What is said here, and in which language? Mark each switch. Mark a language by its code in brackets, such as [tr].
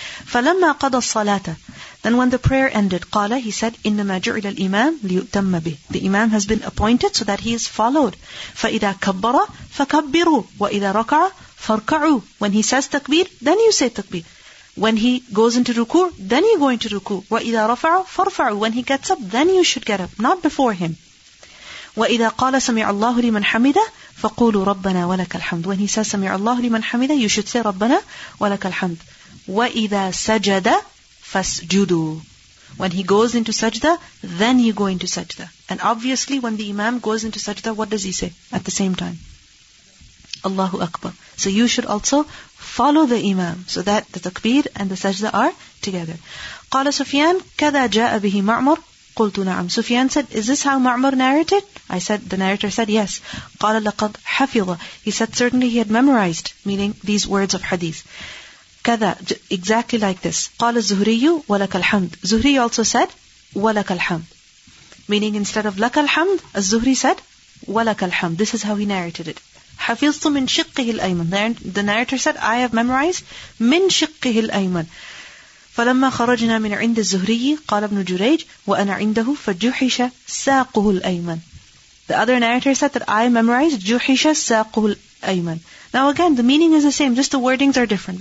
[ar] فَلَمَّا قَضَ الصَّلَاةَ [en] Then when the prayer ended, [ar] قَالَ [en] He said, [ar] إِنَّمَا جُعِلَ الْإِمَامِ لِيُؤْتَمَّ بِهِ [en] The imam has been appointed so that he is followed. [ar] فَإِذَا كَبَّرَ فَكَبِّرُوا وَإِذَا رَكَعَ فَارْكَعُوا [en] When he says takbir, then you say takbir. When he goes into ruku, then you go into ruku. [ar] وَإِذَا رَفَعَ فَارْفَعُوا [en] When he gets up, then you should get up, not before him. [ar] وَإِذَا قَالَ سَمِعَ اللَّهُ لِمَنْ حَمِدَ فَقُولُوا رَبَّنَا وَلَكَ الْحَمْدُ [en] When he says [ar] سَمِعَ اللَّهُ لِمَنْ حَمِدَ [en] You should say [ar] رَبَّنَا وَلَكَ الْحَمْدُ وَإِذَا سَجَدَ فَاسْجُدُوا [en] When he goes into sajda, then you go into sajda. And obviously when the imam goes into sajda, what does he say at the same time? Allahu Akbar. So you should also follow the imam so that the takbir and the sajda are together. [ar] قَالَ سُفْيَانَ كَذَا جَاءَ بِهِ مَعْمُرُ قلت نعم. [en] Sufyan said, is this how Ma'mar narrated? I said, the narrator said, yes. [ar] قال لقد حفظ. [en] He said, certainly he had memorized, meaning these words of hadith. كذا, exactly like this. [ar] قال الزهري ولك الحمد. [en] Zuhri also said, [ar] ولك الحمد. [en] Meaning instead of [ar] لك الحمد, [en] الزهري said, [ar] ولك الحمد. [en] This is how he narrated it. [ar] حفظت من شقه الأيمن. [en] The narrator said, I have memorized [ar] من شقه الأيمن. فَلَمَّا خَرَجْنَا مِنْ عِنْدِ الزُّهْرِيِّ قَالَ ابْنُ جُرَيْجٍ وَأَنَا عِنْدَهُ فَجُحِشَ سَاقُهُ الْأَيْمَنِ [en] The other narrator said that I memorized [ar] جُحِشَ سَاقُهُ الْأَيْمَنِ [en] Now again, the meaning is the same, just the wordings are different.